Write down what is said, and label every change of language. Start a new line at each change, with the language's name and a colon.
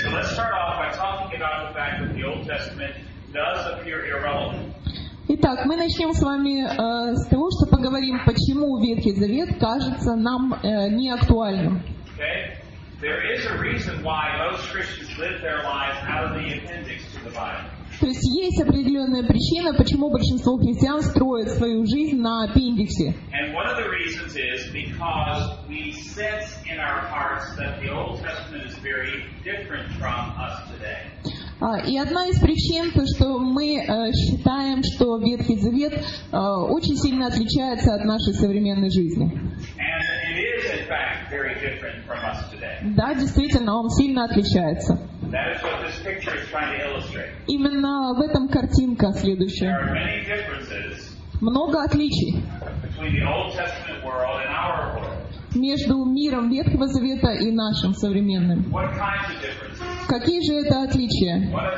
English: So let's start off by talking about the fact that the Old Testament does appear irrelevant.
Russian: Итак, мы начнем с вами с того, что поговорим, почему Ветхий Завет кажется нам неактуальным.
English: Okay. There is a reason why most Christians live their lives out of the appendix to the Bible.
Russian: То есть есть определенная причина, почему большинство христиан строят свою жизнь на аппендиксе.
English: And one of the reasons is because we sense in our hearts that the Old Testament is very different from us today.
Russian: И одна из причин, то что мы считаем, что Ветхий Завет очень сильно отличается от нашей современной жизни.
English: And it is, in fact, very different from us today.
Russian: Да, действительно, он сильно отличается.
English: That is what this picture is trying to illustrate.
Russian: Именно в этом картинка следующая.
English: There are many differences.
Russian: Много отличий.
English: Between the Old Testament world and our world.
Russian: Между миром Ветхого Завета и нашим современным. Какие же это отличия?